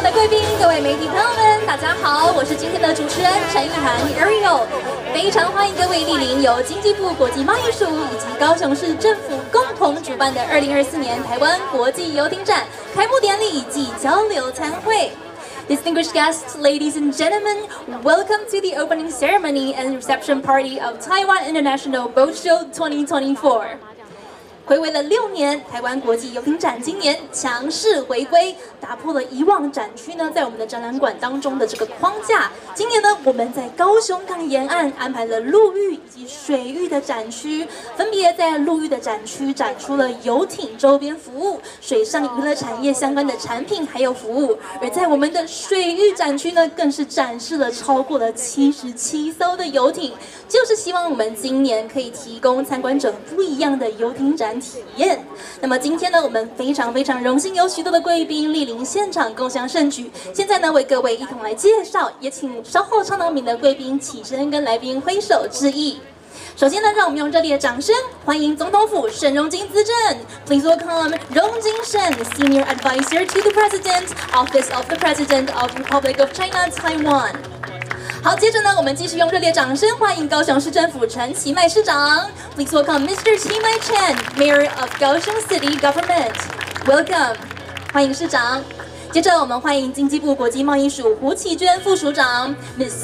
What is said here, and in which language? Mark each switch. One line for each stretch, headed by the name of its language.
Chinese: 宾、各位媒体朋友们，大家好，我是今天的主持人陈意涵 Ariel， 非常欢迎各位莅临由经济部国际贸易署以及高雄市政府共同主办的2024年台湾国际游艇展开幕典礼暨交流餐会。
English: Distinguished guests, ladies and gentlemen, welcome to the opening ceremony and reception party of Taiwan International Boat Show 2024.
Chinese: 回归了六年，台湾国际游艇展今年强势回归，打破了以往展区呢在我们的展览馆当中的这个框架。今年呢，我们在高雄港沿岸安排了陆域以及水域的展区，分别在陆域的展区展出了游艇周边服务、水上娱乐产业相关的产品还有服务，而在我们的水域展区呢，更是展示了超过了77艘的游艇，就是希望我们今年可以提供参观者不一样的游艇展体验。那么今天呢，我们非常非常荣幸有许多的贵宾莅临现场共享盛举，现在呢为各位一同来介绍，也请稍后唱到名的贵宾起身跟来宾挥手致意。首先呢，让我们用热烈的掌声欢迎总统府沈荣津资政。
English: Please welcome 荣津 Shen, Senior Advisor to the President, Office of the President of Republic of China, Taiwan。
Chinese: 好，接着呢，我们继续用热烈掌声欢迎高雄市政府陈其迈市长。
English: Please welcome Mr. 其迈 Chen, Mayor of 高雄 City Government. Welcome,
Chinese: 欢迎市长。接着我们欢迎经济部国际贸易署胡启娟副署长 Ms.